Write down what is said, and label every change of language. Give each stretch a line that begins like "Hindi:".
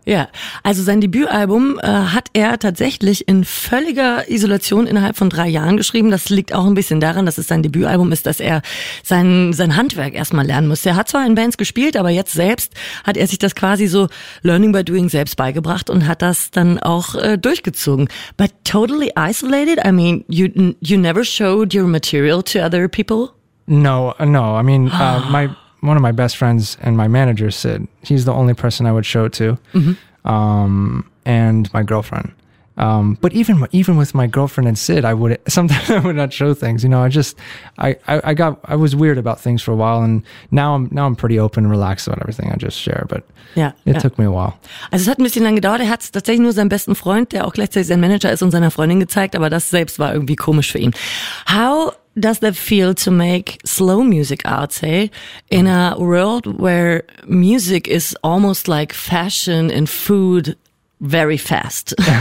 German: Ja, also sein Debütalbum hat er tatsächlich in völliger Isolation innerhalb von 3 Jahren geschrieben. Das liegt auch ein bisschen daran, dass es sein Debütalbum ist, dass er sein Handwerk erstmal lernen muss. Er hat zwar in Bands gespielt, aber jetzt selbst hat er sich das quasi so learning by doing selbst beigebracht und hat das dann auch durchgezogen.
English: But totally isolated? I mean, you never showed your material to other people? No. I mean, one of my best friends and my manager, Sid, he's the only person I would show it to, mm-hmm. And my girlfriend. But even with my girlfriend and Sid, I would not show things. You know, I was weird about things for a while, and now I'm pretty open and relaxed about everything I just share. But it took me a while.
German: Also es hat ein bisschen lange gedauert. Er hat es tatsächlich nur seinem besten Freund, der auch gleichzeitig sein Manager ist, und seiner Freundin gezeigt. Aber das selbst war irgendwie komisch für ihn.
English: How does that feel to make slow music, I'd say, in a world where music is almost like fashion and food very fast?